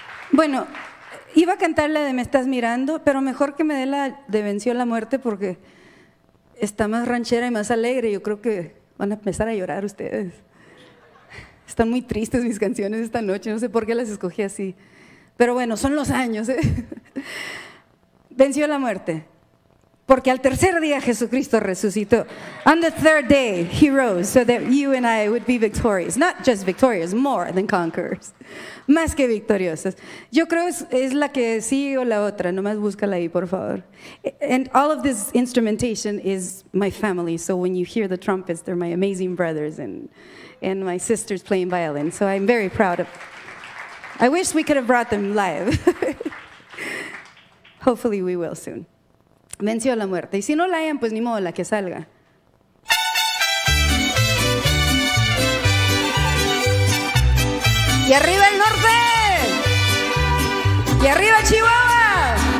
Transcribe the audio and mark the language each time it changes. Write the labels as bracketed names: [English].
[Spanish] Bueno, iba a cantar la de Me Estás Mirando, pero mejor que me dé la de Venció la Muerte, porque está más ranchera y más alegre. Yo creo que van a empezar a llorar ustedes. Están muy tristes mis canciones esta noche, no sé por qué las escogí así. Pero bueno, son los años, ¿eh? Venció la muerte, porque al tercer día Jesucristo resucitó. [English] On the third day, he rose so that you and I would be victorious. Not just victorious, more than conquerors. [Spanish] Más que victoriosos. Yo creo es la que sí o la otra. Nomás búscala ahí, por favor. [English] And all of this instrumentation is my family. So when you hear the trumpets, they're my amazing brothers and my sisters playing violin. So I'm very proud of them. I wish we could have brought them live. Hopefully we will soon. Venció la muerte. [Spanish] Y si no la hayan, pues ni modo, la que salga. ¡Y arriba el norte! ¡Y arriba Chihuahua!